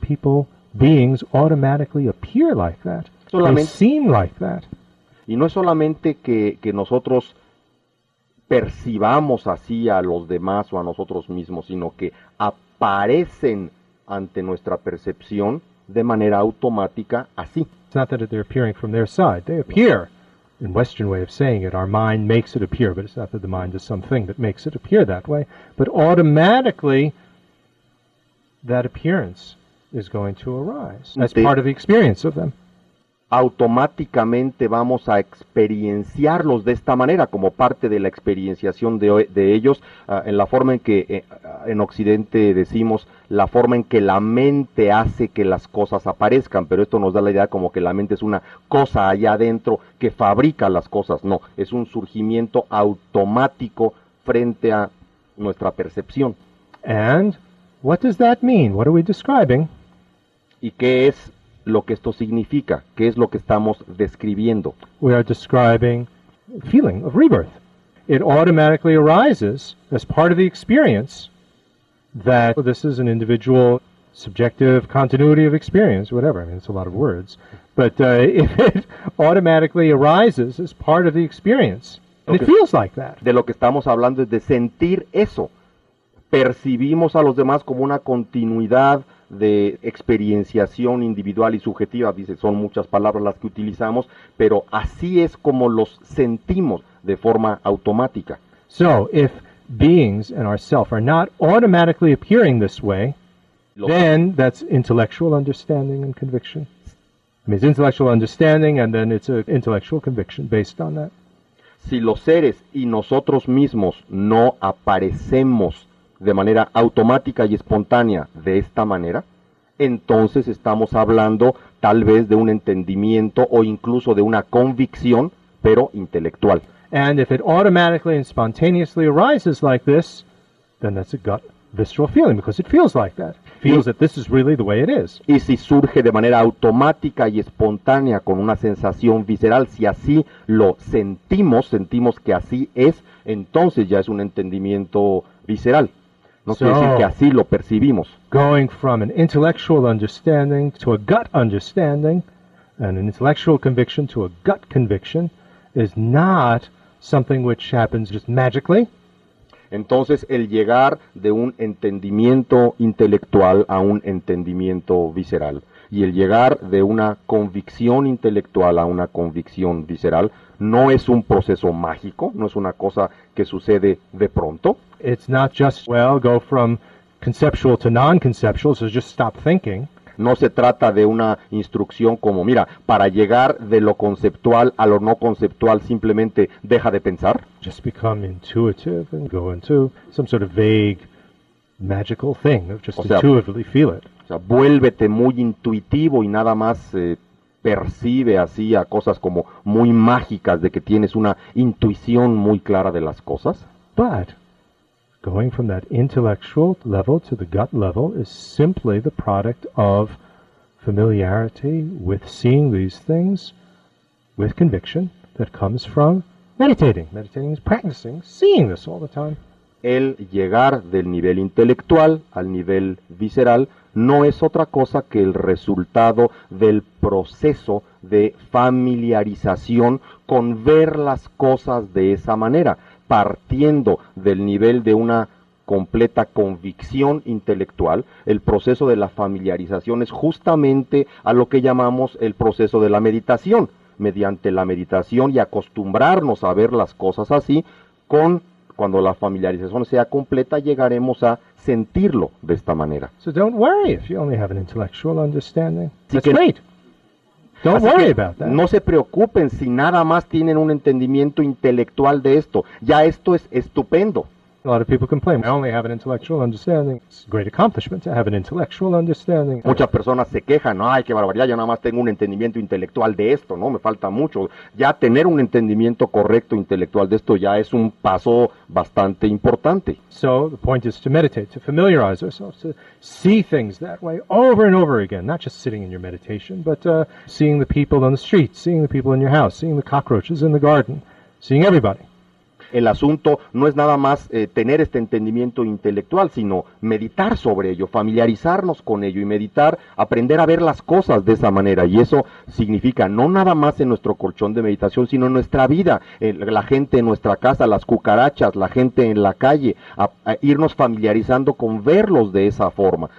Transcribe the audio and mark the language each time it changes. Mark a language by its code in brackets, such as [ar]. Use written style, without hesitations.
[en] People, beings automatically appear like that. [es] Solamente, [en] they seem like that. [es] Y no es solamente que nosotros percibamos así a los demás o a nosotros mismos, sino que aparecen ante nuestra percepción de manera automática así. [en] It's not that they're appearing from their side. They appear. In Western way of saying it, our mind makes it appear, but it's not that the mind is something that makes it appear that way. But automatically, that appearance is going to arise as part of the experience of them. [es] automáticamente vamos a experienciarlos de esta manera, como parte de la experienciación de ellos, en la forma en que en Occidente decimos la forma en que la mente hace que las cosas aparezcan, pero esto nos da la idea como que la mente es una cosa allá adentro que fabrica las cosas. No, es un surgimiento automático frente a nuestra percepción. [en] And what does that mean? What are we describing? [es] ¿Y qué es lo que esto significa? ¿Qué es lo que estamos describiendo? [en] We are describing feeling of rebirth. It automatically arises as part of the experience that this is an individual subjective continuity of experience, whatever. I mean, it's a lot of words. But if it automatically arises as part of the experience, okay. It feels like that. [es] De lo que estamos hablando es de sentir eso. Percibimos a los demás como una continuidad de experienciación individual y subjetiva, dice, son muchas palabras las que utilizamos, pero así es como los sentimos de forma automática. [en] So, if beings and ourselves are not automatically appearing this way, then that's intellectual understanding and conviction. I mean, it's intellectual understanding and then it's an intellectual conviction based on that. [es] Si los seres y nosotros mismos no aparecemos de manera automática y espontánea de esta manera, entonces estamos hablando tal vez de un entendimiento o incluso de una convicción, pero intelectual. [en] And if it automatically and spontaneously arises like this, then that's a gut visceral feeling, because it feels like that. Feels that this is really the way it is. [es] Y si surge de manera automática y espontánea con una sensación visceral, si así lo sentimos, sentimos que así es, entonces ya es un entendimiento visceral. No quiere decir que así lo percibimos. [en] Going from an intellectual understanding to a gut understanding, and an intellectual conviction to a gut conviction, is not something which happens just magically. [es] Entonces, el llegar de un entendimiento intelectual a un entendimiento visceral, y el llegar de una convicción intelectual a una convicción visceral, no es un proceso mágico, no es una cosa que sucede de pronto. [en] It's not just, well, go from conceptual to non-conceptual, so just stop thinking. [es] No se trata de una instrucción como, mira, para llegar de lo conceptual a lo no conceptual, simplemente deja de pensar. [en] Just become intuitive and go into some sort of vague, magical thing. Just intuitively feel it. [es] O sea, vuélvete muy intuitivo y nada más percibe así a cosas como muy mágicas, de que tienes una intuición muy clara de las cosas. [en] But going from that intellectual level to the gut level is simply the product of familiarity with seeing these things with conviction that comes from meditating. Meditating is practicing seeing this all the time. [es] El llegar del nivel intelectual al nivel visceral no es otra cosa que el resultado del proceso de familiarización con ver las cosas de esa manera, partiendo del nivel de una completa convicción intelectual. El proceso de la familiarización es justamente a lo que llamamos el proceso de la meditación. Mediante la meditación y acostumbrarnos a ver las cosas así, con cuando la familiarización sea completa, llegaremos a sentirlo de esta manera. [en] So don't worry if you only have an intellectual understanding. That's great. Don't worry about that. [es] No se preocupen si nada más tienen un entendimiento intelectual de esto. Ya esto es estupendo. [en] A lot of people complain, I only have an intellectual understanding. It's a great accomplishment to have an intellectual understanding. [es] Muchas personas se quejan, ay, qué barbaridad, yo nada más tengo un entendimiento intelectual de esto, ¿no? Me falta mucho. Ya tener un entendimiento correcto intelectual de esto ya es un paso bastante importante. [en] So the point is to meditate, to familiarize ourselves, to see things that way over and over again, not just sitting in your meditation, but seeing the people on the street, seeing the people in your house, seeing the cockroaches in the garden, seeing everybody. [es] El asunto no es nada más tener este entendimiento intelectual, sino meditar sobre ello, familiarizarnos con ello y meditar, aprender a ver las cosas de esa manera. Y eso significa no nada más en nuestro colchón de meditación, sino en nuestra vida, la gente en nuestra casa, las cucarachas, la gente en la calle, a irnos familiarizando con verlos de esa forma.